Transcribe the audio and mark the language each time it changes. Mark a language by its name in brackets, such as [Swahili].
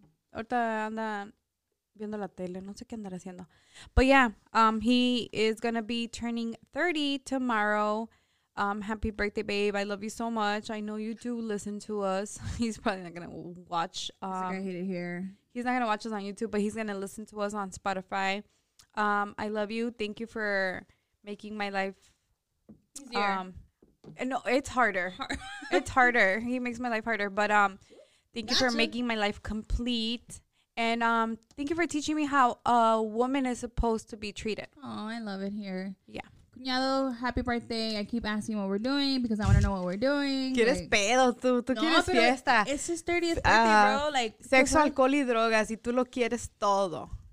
[Spanish] Ahorita anda viendo la tele, no sé qué andar haciendo. [English] But yeah, he is going to be turning 30 tomorrow. Happy birthday, babe. I love you so much. I know you do listen to us. He's probably not going to watch. I hate it here. He's not going to watch us on YouTube, but he's going to listen to us on Spotify. I love you. Thank you for making my life easier. It's harder. It's harder. He makes my life harder. But thank you for making my life complete. And thank you for teaching me how a woman is supposed to be treated. Oh, I love it here. Yeah. Cuñado, happy birthday. I keep asking what we're doing because I want to know what we're doing. [Spanish] ¿Quieres like, pedo? ¿Tú no, quieres fiesta? [English] It's his 30th birthday, bro. Like, [Spanish] sexo, alcohol y drogas. Y tú lo quieres todo.